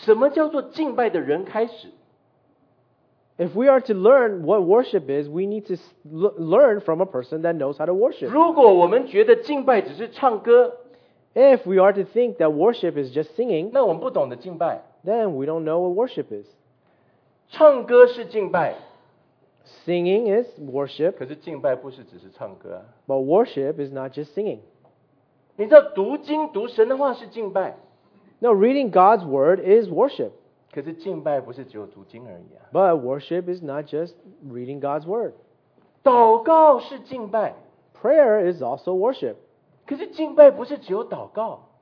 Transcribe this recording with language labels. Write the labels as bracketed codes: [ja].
[zh] 我们要懂得敬拜，我们要先从什么叫做敬拜的人开始。 [en] If we are to learn what worship is, we need to learn from a person that knows how to worship. [zh] 如果我们觉得敬拜只是唱歌， [en] If we are to think that worship is just singing, [zh] 那我们不懂得敬拜。 [en] Then we don't know what worship is. [zh] 唱歌是敬拜。 [en] Singing is worship. [zh] 可是敬拜不是只是唱歌。 [en] But worship is not just singing. [zh] 你知道读经读神的话是敬拜。 [en] No, reading God's word is worship. [zh] 可是敬拜不是只有读经而已啊。 [en] But worship is not just reading God's word. [zh] 祷告是敬拜。 [en] Prayer is also worship. [zh] 可是敬拜不是只有祷告。